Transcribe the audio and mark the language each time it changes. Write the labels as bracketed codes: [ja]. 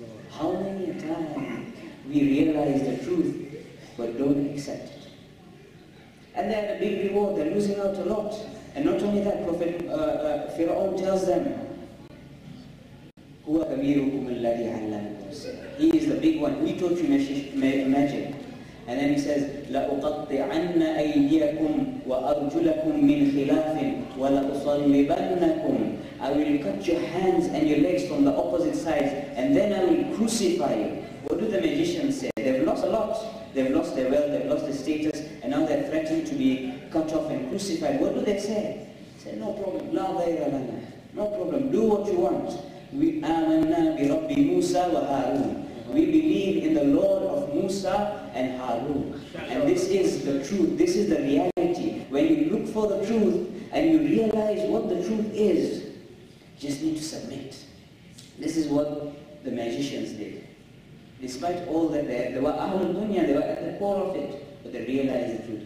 [en] How many times we realize the truth but don't accept it? And they had a big reward, they're losing out a lot. And not only that, Prophet Fir'aun tells them, [ar] هُوَ كَبِيرُكُمُ الَّذِي عَلَّمَكُمْ. [en] He is the big one. He taught you magic. And then he says, [ar] لَأُقَطِّعَنَّ أَيْدِيَكُمْ وَأَرْجُلَكُمْ مِنْ خِلَافٍ وَلَأُصَلِّبَنَّكُمْ. [en] I will cut your hands and your legs from the opposite sides, and then I will crucify you. What do the magicians say? They've lost a lot. They've lost their wealth, they've lost their status, and now they're threatened to be cut off and crucified. What do they say? Say, no problem. [ar] لَا غَيْرَ لَنَا. [en] No problem. Do what you want. We [ar] آمَنَّا بِرَبِّ مُوسَى وَهَارُونَ. [en] We believe in the Lord of Musa and Harun. And this is the truth. This is the reality. When you look for the truth and you realize what the truth is, just need to submit. This is what the magicians did. Despite all that, they were Ahlul Dunya, they were at the core of it, but they realized the truth.